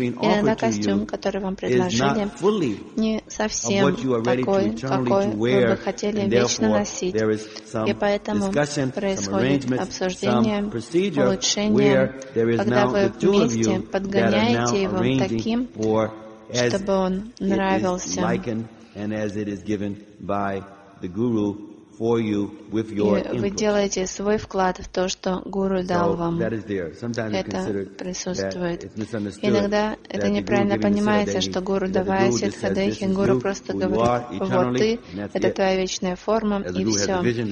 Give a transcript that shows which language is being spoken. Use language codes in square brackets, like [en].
[ru] Иногда костюм, который вам предложили, не совсем такой, какой вы бы хотели вечно носить. И поэтому происходит обсуждение, улучшение, когда вы вместе подгоняете его таким, чтобы он нравился. [en] And as it is given by the guru for you with your input. [ru] Вы делаете свой вклад в то, что гуру дал вам. [en] That is there. Sometimes [ru] это присутствует. [en] That [ru] иногда это неправильно понимается, что гуру давает сиддхадехи. Гуру просто говорит, вот ты, это твоя вечная форма, и все.